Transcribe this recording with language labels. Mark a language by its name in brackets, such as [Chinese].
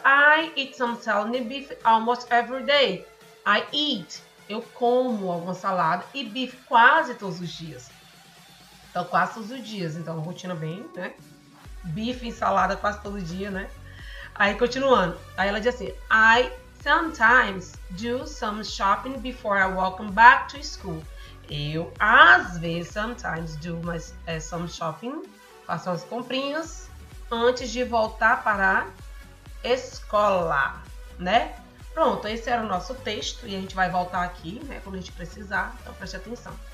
[English] I eat some salad and beef almost every day. I eat. [Portuguese] Eu como alguma salada e beef quase todos os dias. Então, quase todos os dias. Então, rotina bem, né? Bife, salada quase todo dia, né? Aí, continuando. Aí, ela diz assim, [English] I sometimes do some shopping before I walk back to school. [Portuguese] Eu, às vezes, [English] sometimes do some shopping, [Portuguese] faço umas comprinhas antes de voltar para a escola, né? Pronto, esse era o nosso texto e a gente vai voltar aqui, né? Quando a gente precisar, então preste atenção.